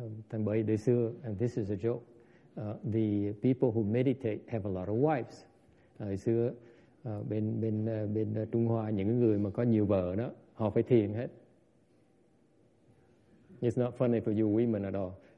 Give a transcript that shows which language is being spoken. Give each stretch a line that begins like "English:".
Vietnamese: thầy bởi đời xưa,
English: and this is a joke, the people who meditate have a lot of wives.
Vietnamese: Đời xưa bên Trung Hoa những người mà có nhiều vợ đó, họ phải thiền hết.
English: It's not funny for you women at all.